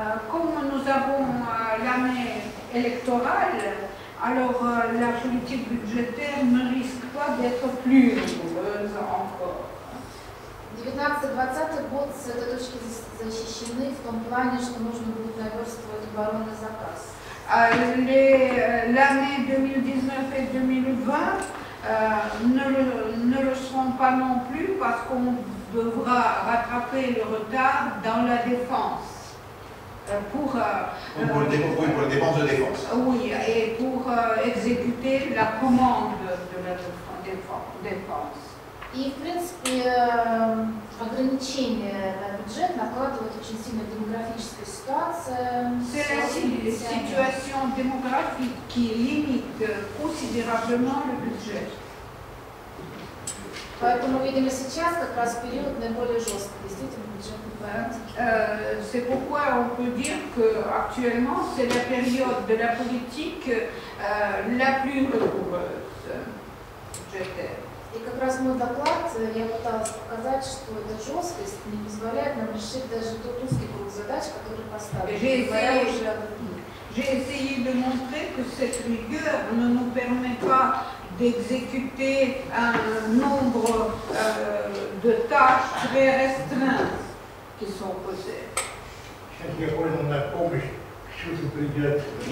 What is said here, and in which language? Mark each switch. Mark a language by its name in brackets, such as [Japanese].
[French] Comme nous avons l'année électorale, alors la politique budgétaire ne risque pas d'être plus rigoureuse encore. [Russian] 19-20 год с этой точки защищены в том плане, что нужно будет наверстывать оборонный запас. [French] L'année 2019 et 2020 ne le seront pas non plus parce qu'on devra rattraper le retard dans la défense. Pour les dépenses de défense. Oui, et pour exécuter la commande de la défense. [Russian] И, в принципе, ограничение на бюджет накладывает очень сильно демографическую ситуацию. [French] C'est la situation démographique qui limite considérablement le budget. [Russian] Поэтому видимо сейчас как раз период наиболее жесткий, действительно, бюджетной политики. [French] C'est pourquoi on peut dire que actuellement c'est la période de la politique la plus rigoureuse budgétaire. [Russian] И как раз мой доклад, я пыталась показать, что эта жесткость не позволяет нам решить даже тот узкий круг задач, который поставлен. [French] J'ai essayé de montrer que cette rigueur ne nous permet pas d'exécuter un nombre de tâches très restreintes qui sont posées. [Russian] Сейчас я понял, на помощь, что же придет.